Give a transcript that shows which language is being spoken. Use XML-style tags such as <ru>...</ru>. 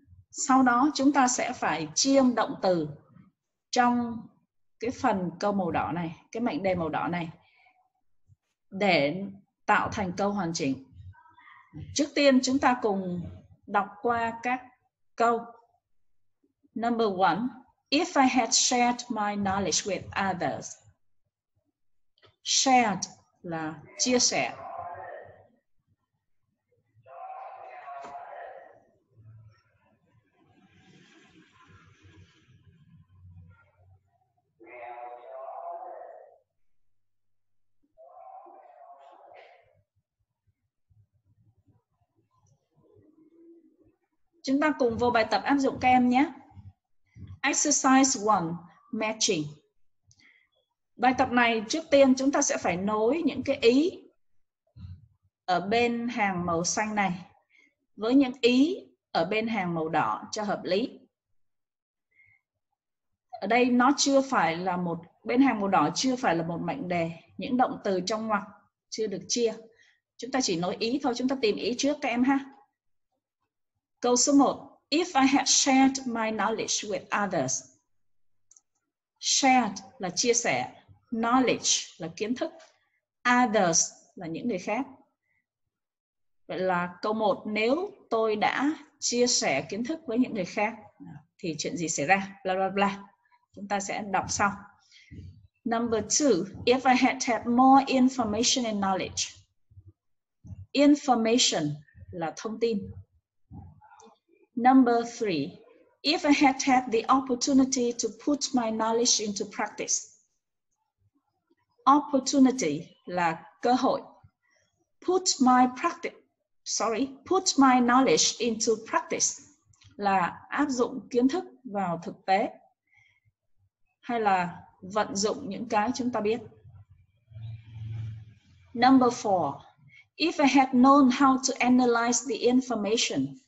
<vi>Sau đó chúng ta sẽ phải chiêm động từ trong cái phần câu màu đỏ này, cái mệnh đề màu đỏ này để tạo thành câu hoàn chỉnh. Trước tiên chúng ta cùng đọc qua các câu.</vi> <en>Number one, if I had shared my knowledge with others.</en> <vi>Shared là chia sẻ. Chúng ta cùng vô bài tập áp dụng các em nhé.</vi> <en>Exercise 1, matching.</en> <vi>Bài tập này trước tiên chúng ta sẽ phải nối những cái ý ở bên hàng màu xanh này với những ý ở bên hàng màu đỏ cho hợp lý. Ở đây nó chưa phải là một, bên hàng màu đỏ chưa phải là một mệnh đề, những động từ trong ngoặc chưa được chia. Chúng ta chỉ nối ý thôi, chúng ta tìm ý trước các em ha. Câu số 1.</vi> <en>If I had shared my knowledge with others.</en> <vi>Shared là chia sẻ. Knowledge là kiến thức. Others là những người khác. Vậy là câu 1. Nếu tôi đã chia sẻ kiến thức với những người khác, thì chuyện gì xảy ra? Blah, blah, blah. Chúng ta sẽ đọc sau.</vi> <en>Number 2. If I had had more information and knowledge.</en> <vi>Information là thông tin.</vi> <en>Number 3. If I had had the opportunity to put my knowledge into practice.</en> <vi>Opportunity là cơ hội.</vi> <en>Put my knowledge into practice</en> <vi>là áp dụng kiến thức vào thực tế. Hay là vận dụng những cái chúng ta biết.</vi> <en>Number 4. If I had known how to analyze the information.</en>